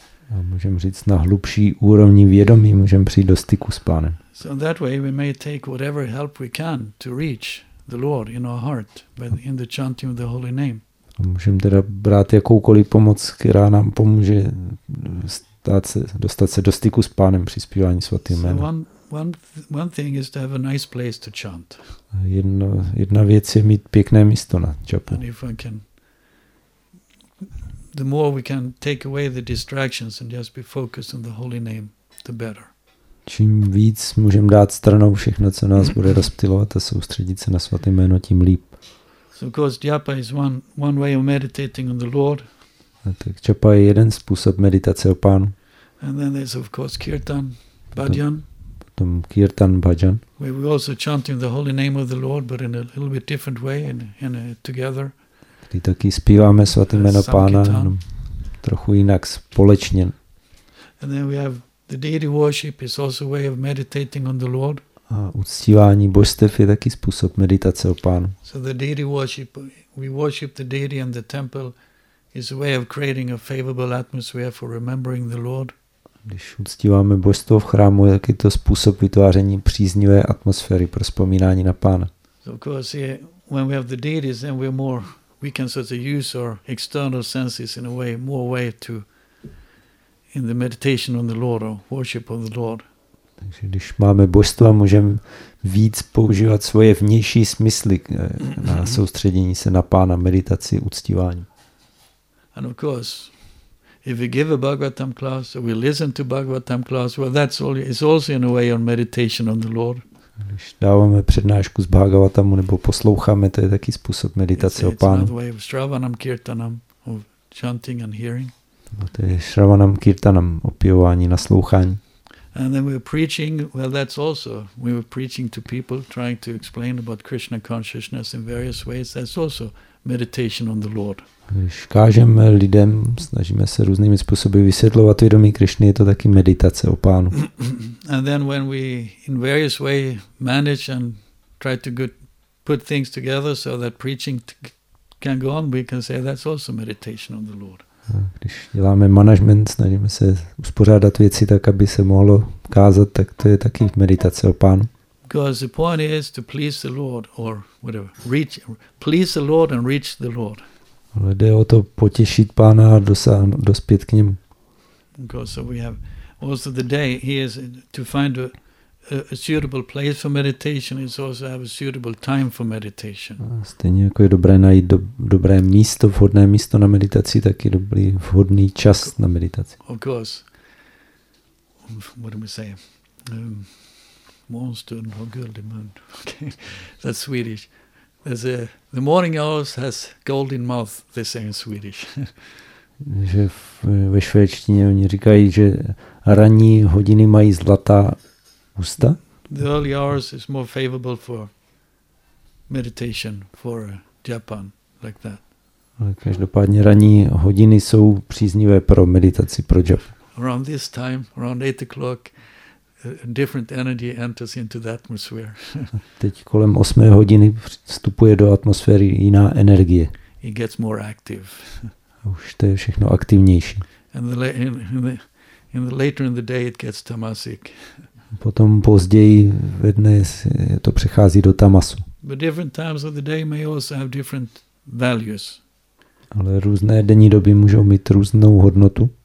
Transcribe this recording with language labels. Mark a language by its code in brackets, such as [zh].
[cs] A můžeme říct na hlubší úrovni vědomí, můžeme přijít do styku s Pánem. [en] So in that way we may take whatever help we can to reach the Lord in our heart by in the chanting of the holy name. [cs] A můžeme teda brát jakoukoliv pomoc, která nám pomůže dostat se do styku s Pánem při zpívání svatým jménem. [en] One thing is to have a nice place to chant. [cs] Jedna věc je mít pěkné místo na čapu. [en] And if we can, the more we can take away the distractions and just be focused on the holy name, the better. [cs] Čím víc můžeme dát stranou všechno, co nás bude rozptilovat a soustředit se na svaté jméno, tím líp. [en] So of course, japa is one way of meditating on the Lord. [cs] A tak čapa je jeden způsob meditace o Pánu. [en] And then there's of course kirtan, bhajan. [cs] Tom kirtan bhajan. [en] We were also chanting the holy name of the Lord, but in a little bit different way, in a together. [cs] Kdy taky zpíváme svaté jméno Pána, trochu jinak společně. [en] And then we have the deity worship is also a way of meditating on the Lord. [cs] A uctívání božstev je taky způsob meditace o Pánu. [en] So the deity worship, we worship the deity in the temple, is a way of creating a favorable atmosphere for remembering the Lord. [cs] Když uctíváme božstvo v chrámu, tak je to způsob vytváření příznivé atmosféry pro vzpomínání na Pána. [en] Of course, when we have the deities, then we're more, we can sort of use our external senses in a way, more way to, in the meditation on the Lord or worship of the Lord. [cs] Takže když máme božstva, můžeme víc používat svoje vnější smysly na soustředění se na Pána, meditaci, uctívání. [en] And of course, if we give a Bhagavatam class, or we listen to Bhagavatam class, well, that's all. It's also in a way on meditation on the Lord. [cs] Když dáváme přednášku z Bhagavatamu nebo posloucháme, to je taky způsob meditace o Pánu. [en] It's another way of Shravanam Kirtanam, of chanting and hearing. [cs] To je Shravanam Kirtanam, opěvování, naslouchání. [en] And then we're preaching. Well, that's also we were preaching to people, trying to explain about Krishna consciousness in various ways. That's also meditation on the Lord. [cs] Když kážeme lidem, snažíme se různými způsoby vysvětlovat vědomí Krišny, je to taky meditace o Pánu. [en] And then when we in various way manage and try to put things together so that preaching can go on, we can say that's also meditation on the Lord. [cs] Když děláme management, snažíme se uspořádat věci tak, aby se mohlo kázat, tak to je taky meditace o Pánu. [en] Because the point is to please the Lord or whatever, reach, please the Lord and reach the Lord. [cs] Ale jde o to potěšit Pána a dospět k němu. [en] Because so we have also the day here is to find a suitable place for meditation is also have a suitable time for meditation. [cs] Stejně jako je dobré najít dobré místo, vhodné místo na meditaci, tak je dobrý vhodný čas na meditaci. [en] Of course, what do we say? [sv] Morgonstund och guldemund. [en] Okay, that's Swedish. There's a the morning hours has golden mouth. They say in Swedish. [cs] Že ve švédštině oni říkají, že ranní hodiny mají zlatá ústa. [en] The early hours is more favorable for meditation for Japan, like that. [cs] Každopádně ranní hodiny jsou příznivé pro meditaci pro Japan. [en] Around this time, around 8 o'clock. A different energy enters into the atmosphere. [cs] Teď kolem 8 hodiny vstupuje do atmosféry jiná energie. [en] It gets more active. [cs] Už to je všechno aktivnější. [en] And in the later in the day it gets tamasic. [cs] Potom později ve dne to přechází do tamasu. [en] But different times of the day may also have different values. [cs] Ale různé denní doby můžou mít různou hodnotu.